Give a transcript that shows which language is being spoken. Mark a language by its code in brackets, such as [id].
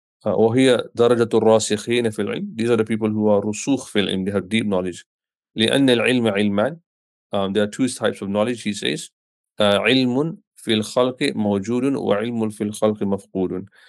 [ar] وهي درجة الراسخين في العلم. [en] These are the people who are [ar] رسوخ في العلم. [en] They have deep knowledge. [ar] لأن العلم علمان. [en] There are two types of knowledge, he says. [ar] علم في الخلق موجود وعلم في الخلق مفقود.